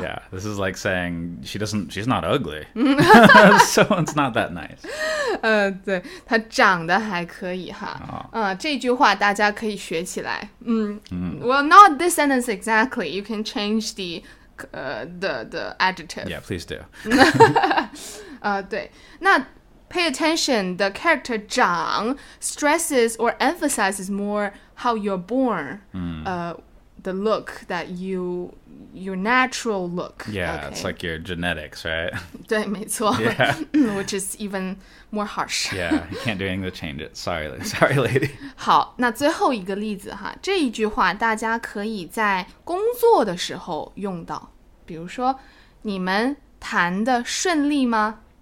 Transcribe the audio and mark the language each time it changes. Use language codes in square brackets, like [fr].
[en] Yeah, this is like saying she's not ugly So it's not that nice [zh] 对,她长得还可以哈、oh. 这句话大家可以学起来、 [en] Well, not this sentence exactly You can change the adjective Yeah, please do [zh] 对，那 [en] pay attention, the character 长 stresses or emphasizes more how you're born,、the look that you, your natural look. Yeah,、 okay. it's like your genetics, right? [zh] 对，没错、 [en] yeah. which is even more harsh. yeah, you can't do anything to change it. Sorry, lady. [zh] 好，那最后一个例子哈，这一句话大家可以在工作的时候用到，比如说，你们谈得顺利吗？